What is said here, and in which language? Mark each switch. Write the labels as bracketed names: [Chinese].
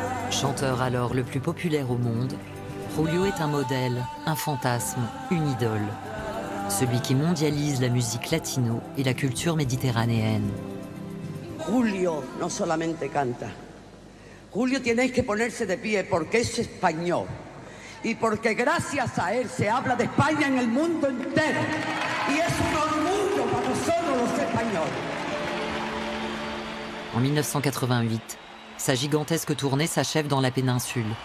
[French] Chanteur alors le plus populaire au monde, Julio est un modèle, un fantasme, une idole. Celui qui mondialise la musique latino et la culture méditerranéenne. [Spanish] Julio no solamente canta. Julio tiene que ponerse de pie porque es español. Y porque gracias a él se habla de España en el mundo entero. Y es un orgullo para nosotros los españoles. [French] En 1988, sa gigantesque tournée s'achève dans la péninsule.